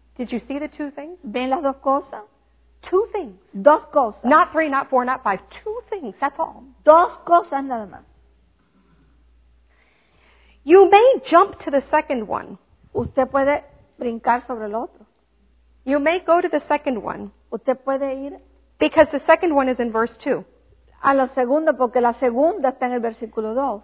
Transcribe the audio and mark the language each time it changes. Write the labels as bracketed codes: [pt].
[en] Did you see the two things? [es] ¿Ven las dos cosas? [en] Two things. [es] Dos cosas. [en] Not three, not four, not five. Two things, that's all. [es] Dos cosas nada más. [en] You may jump to the second one. [es] Usted puede brincar sobre el otro. [en] You may go to the second one. [es] Usted puede ir. [en] Because the second one is in verse 2. [es] A la segunda, porque la segunda está en el versículo 2.